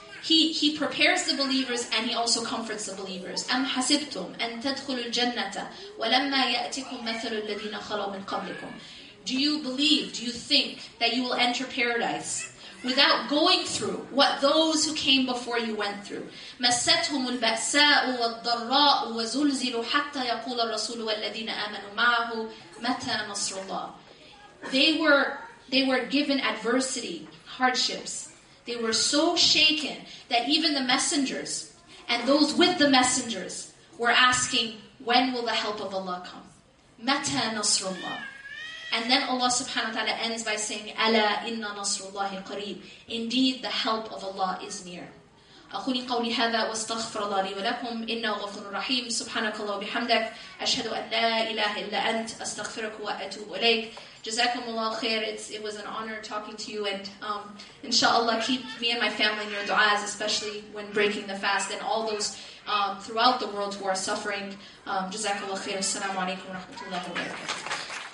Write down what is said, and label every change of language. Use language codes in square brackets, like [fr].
[en] He prepares the believers and he also comforts the believers. [ar] أَمْ حَسِبْتُمْ أَن تَدْخُلُوا الْجَنَّةَ وَلَمَّا يَأْتِكُمْ مَثَلُ الَّذِينَ خَلَوْا مِنْ قَبْلِكُمْ. [en] Do you believe, do you think that you will enter paradise without going through what those who came before you went through? [ar] مَسَّتْهُمُ الْبَأْسَاءُ وَالضَّرَّاءُ وَزُلْزِلُوا حَتَّى يَقُولَ الرَّسُولُ وَالَّذِينَ آمَنُوا مَعَهُ مَتَى نَصْرُ اللَّهِ. [en] They were given adversity, hardships. They were so shaken that even the messengers and those with the messengers were asking, when will the help of Allah come? [ar] Mata nasrullah. [en] And then Allah subhanahu wa ta'ala ends by saying, [ar] Ala inna nasrullahi qareeb. [en] Indeed, the help of Allah is near. [ar] أقول قولي هذا واستغفر الله لي ولكم إنه غفور رحيم سبحانك اللهم وبحمدك أشهد أن لا إله إلا أنت أستغفرك وأتوب إليك جزاكم الله خير. [en] It was an honor talking to you, and inshallah keep me and my family in your du'as, especially when breaking the fast, and all those throughout the world who are suffering. [ar] جزاكم الله خير. السلام عليكم ورحمة الله وبركاته.